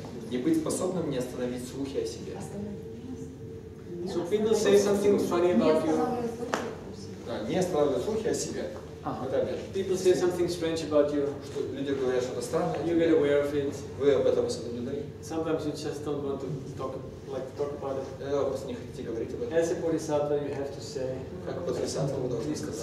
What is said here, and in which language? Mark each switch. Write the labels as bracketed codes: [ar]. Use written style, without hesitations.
[ru] Не быть способным не остановить слухи о себе. [en] So people say something funny about you. [ru] Не останавливать слухи о себе. Uh-huh. [en] People say something strange about you. [ru] Что люди говорят что-то странное. [en] You get aware of it. [ru] Вы об этом осведомлены. [en] Sometimes you just don't want to talk about it. [ru] Вы просто не хотите говорить об этом. [en] As a bodhisattva, you have to say. [ru] Как бодхисаттва, вы должны сказать.